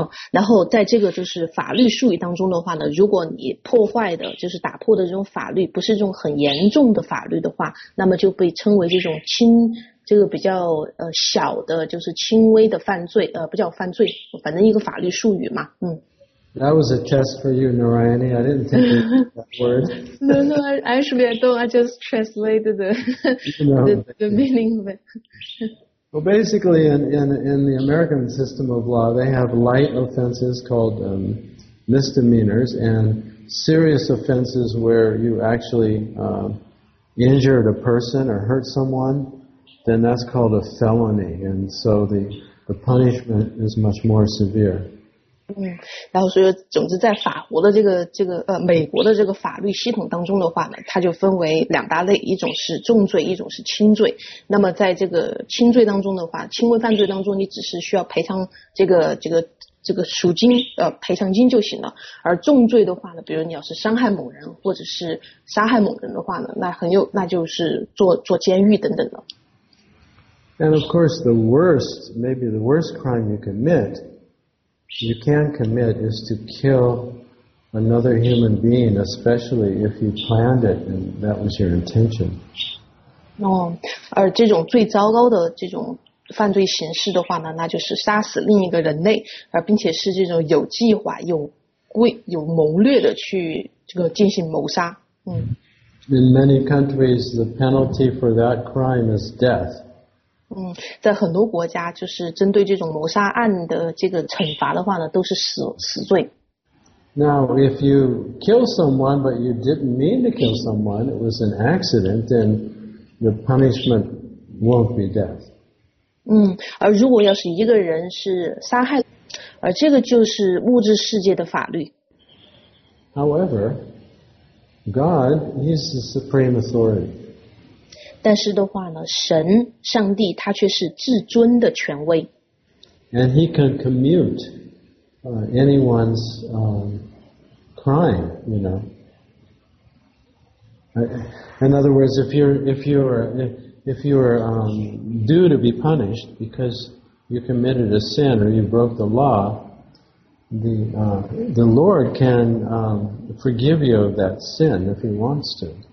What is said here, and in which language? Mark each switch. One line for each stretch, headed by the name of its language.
Chinese: 然后在这个就是法律术语当中的话呢，如果你破坏的就是打破的这种法律不是这种很严重的法律的话，那么就被称为这种轻这个比较小的就是轻微的犯罪，不叫犯罪，反正一个法律术语嘛。
English: That was a test for you, Narayani. I didn't think of that word. No, actually, I just translated the meaning of it. Well, basically, in the American system of law, they have light offenses called misdemeanors and serious offenses where you actually injured a person or hurt someone, then that's called a felony. And so the punishment is much more severe.
Chinese: 然后所以总之在法国的美国的这个法律系统当中的话呢，它就分为两大类，一种是重罪，一种是轻罪。那么在这个轻罪当中的话，轻微犯罪当中你只是需要赔偿这个赎金，赔偿金就行了。而重罪的话呢，比如你要是伤害某人或者是杀害某人的话呢，那就是坐监狱等等的。
English: And of course the worst, maybe the worst crime you commit,You can commit is to kill another human being, especially if you planned it and that was your intention.
Chinese: 而这种最糟糕的这种犯罪形式的话呢，那就是杀死另一个人类，而并且是这种有计划、有谋略的去这个进行谋杀。
English: In many countries, the penalty for that crime is death.
Chinese: 在很多国家就是针对这种谋杀案的这个惩罚的话呢，都是死罪。
English: Now, if you kill someone, but you didn't mean to kill someone, it was an accident, then the punishment won't be death.
Chinese: 而如果要是一个人是杀害，而这个就是物质世界的法律。
English: However, God, He's the supreme authority.
Chinese: 但是的话呢，神上帝他却是至尊的权威。
English: And he can commute anyone's crime, you know. In other words, if you're due to be punished because you committed a sin or you broke the law, the Lord can forgive you of that sin if he wants to.